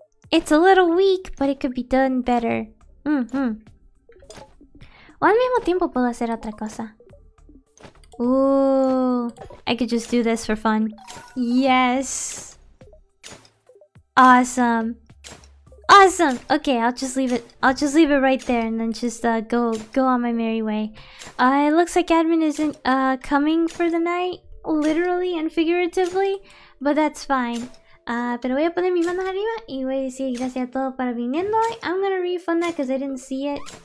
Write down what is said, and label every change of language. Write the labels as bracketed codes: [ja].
[en] It's a little weak, but it could be done better. Mm-hmm. [es] O al mismo tiempo puedo hacer otra cosa. [en] Ooh, I could just do this for fun. Yes. Awesome. Okay, I'll just leave it right there and then just go on my merry way. It looks like admin isn't coming for the night, literally and figuratively, but that's fine. [es] Pero voy a poner mis manos arriba y voy a decir gracias a todos por viniendo. [en] I'm gonna refund that because I didn't see it.